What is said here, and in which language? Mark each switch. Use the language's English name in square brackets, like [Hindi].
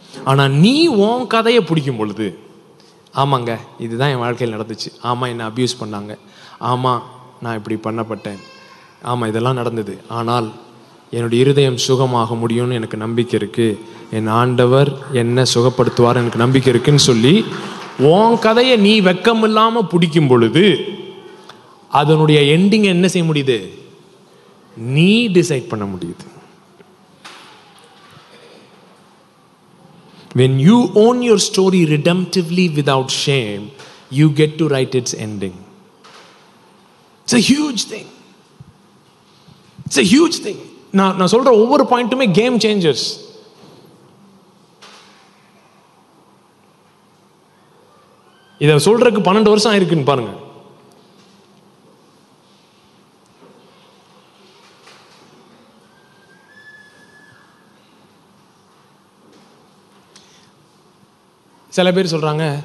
[Tamil] ஆனால் நீ உன் கதையை பிடிக்கும் பொழுது, ஆமாங்க இதுதான் என் வாழ்க்கையில் நடந்துச்சு, ஆமாம் என்னை அபியூஸ் பண்ணாங்க, ஆமாம் நான் இப்படி பண்ணப்பட்டேன், ஆமாம் இதெல்லாம் நடந்தது, ஆனால் என்னுடைய இருதயம் சுகமாக முடியும்னு எனக்கு நம்பிக்கை இருக்குது, என் ஆண்டவர் என்னை சுகப்படுத்துவார் எனக்கு நம்பிக்கை இருக்குன்னு சொல்லி உன் கதையை நீ வெக்கம் இல்லாமல் பிடிக்கும் பொழுது அதனுடைய எண்டிங்கை என்ன செய்ய முடியுது, நீ டிசைட் பண்ண முடியுது. [English] When you own your story redemptively without shame, you get to write its ending. It's a huge thing. It's a huge thing. [Tamil] நான் சொல்கிற ஒவ்வொரு பாயிண்ட்டுமே கேம் சேஞ்சர்ஸ். இதை சொல்கிறதுக்கு 12 வருஷம் ஆயிருக்குன்னு பாருங்க. சில பேர் சொல்கிறாங்க